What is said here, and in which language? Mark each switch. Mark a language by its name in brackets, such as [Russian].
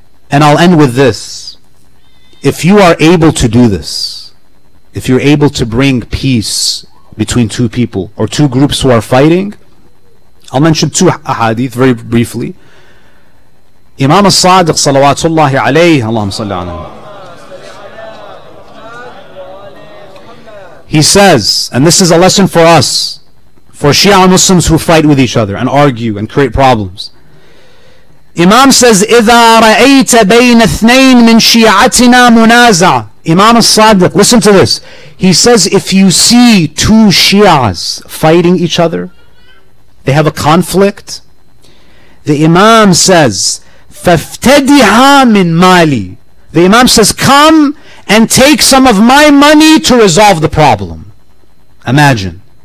[English] And I'll end with this. If you are able to do this, if you're able to bring peace between two people or two groups who are fighting, I'll mention two ahadith very briefly. Imam al-Sadiq salawatullahi alayhi, Allahumma salli alayhi, he says, and this is a lesson for us, for Shia Muslims who fight with each other and argue and create problems. Imam says, [Arabic] إِذَا رَأَيْتَ بَيْنَ اثْنَيْنِ مِنْ شِيَعَتِنَا مُنَازَعَ. [English] Imam al-Sadiq, listen to this. He says, if you see two Shias fighting each other, they have a conflict, the Imam says, [Arabic] فَافْتَدِعَا مِنْ مَالِي. [English] The Imam says, come and take some of my money to resolve the problem. Imagine.